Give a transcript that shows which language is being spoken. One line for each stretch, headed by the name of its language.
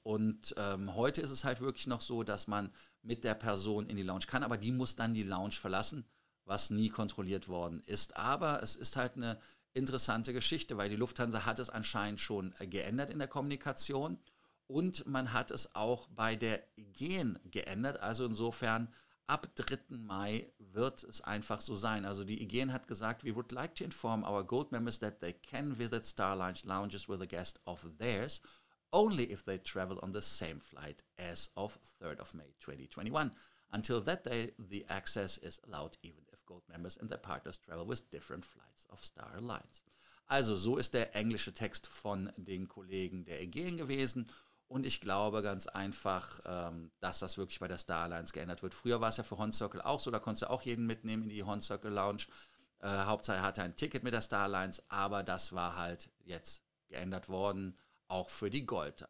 German: Und heute ist es halt wirklich noch so, dass man mit der Person in die Lounge kann, aber die muss dann die Lounge verlassen, was nie kontrolliert worden ist. Aber es ist halt eine interessante Geschichte, weil die Lufthansa hat es anscheinend schon geändert in der Kommunikation und man hat es auch bei der Aegean geändert. Also insofern, ab 3. Mai wird es einfach so sein. Also die Aegean hat gesagt,
English: we would like to inform our gold members that they can visit Starlines lounges with a guest of theirs only if they travel on the same flight as of 3rd of May 2021. Until that day, the access is allowed even if gold members and their partners travel with different flights of Star Alliance.
German: Also so ist der englische Text von den Kollegen der Aegean gewesen und ich glaube ganz einfach, dass das wirklich bei der Star Alliance geändert wird. Früher war es ja für Hornswoggle auch so, da konntest du auch jeden mitnehmen in die Hornswoggle Lounge. Hauptsache hatte ein Ticket mit der Star Alliance, aber das war halt jetzt geändert worden, auch für die Gold.